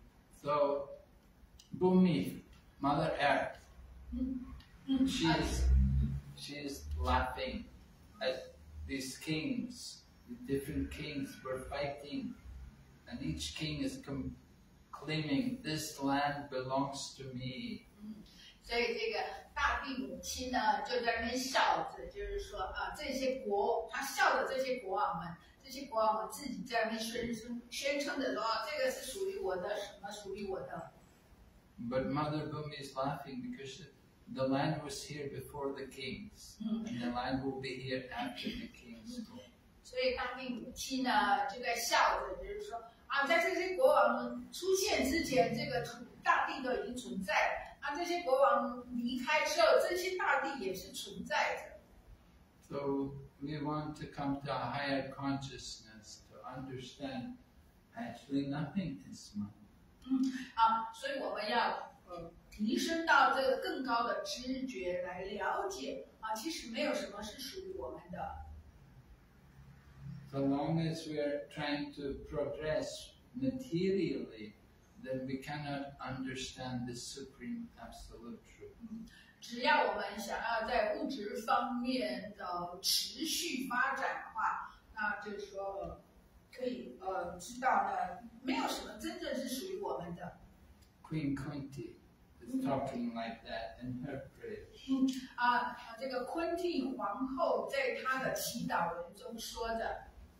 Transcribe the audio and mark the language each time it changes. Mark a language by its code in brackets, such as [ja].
[en] So, Bhumi, Mother Earth, she is laughing at these kings. The different kings were fighting, and each king is claiming, "This land belongs to me." [zh] 所以这个大地母亲呢，就在那边笑着，就是说啊，这些国，她笑着这些国王们。这些国王们自己在那边宣称的说，这个是属于我的，什么属于我的。 [en] But Mother Bhumi is laughing because the land was here before the kings, and the land will be here after the kings. [zh] 所以大地母亲呢就在笑着，就是说啊，在这些国王们出现之前，这个大地都已经存在了。啊，这些国王离开之后，这些大地也是存在的。 [en] So. We want to come to a higher consciousness to understand actually nothing is mine. [zh] 所以我们要提升到这个更高的知觉来了解其实没有什么是属于我们的。 [en] So long as we are trying to progress materially, then we cannot understand the supreme absolute truth. [zh] 只要我们想要在物质方面的持续发展的话，那就是说可以知道呢，没有什么真正是属于我们的。 [en] Queen Kunti is talking like that in her prayer. [zh] 这个昆蒂皇后在她的祈祷文中说的。